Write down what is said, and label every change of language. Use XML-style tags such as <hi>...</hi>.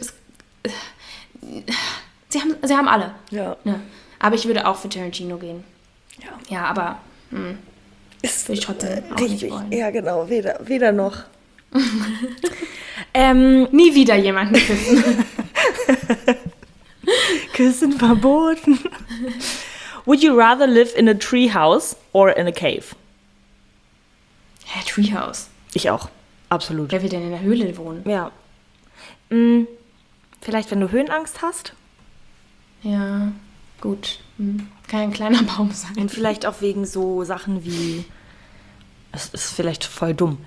<de>Es, sie haben alle. Ja. Ne? Aber ich würde auch für Tarantino gehen. Ja. Ja, aber ist würde ich trotzdem auch richtig. Nicht wollen. Ja, genau. Weder noch. nie wieder jemanden küssen. Küssen verboten.</de> <en>Would you rather live in a treehouse or in a cave?</en> <de>Ja, Treehouse. Ich auch. Absolut. Wer will denn in der Höhle wohnen? Ja. Vielleicht, wenn du Höhenangst hast? Ja, gut. Kann ein kleiner Baum sein. Und vielleicht auch wegen so Sachen wie... Es ist vielleicht voll dumm.</de>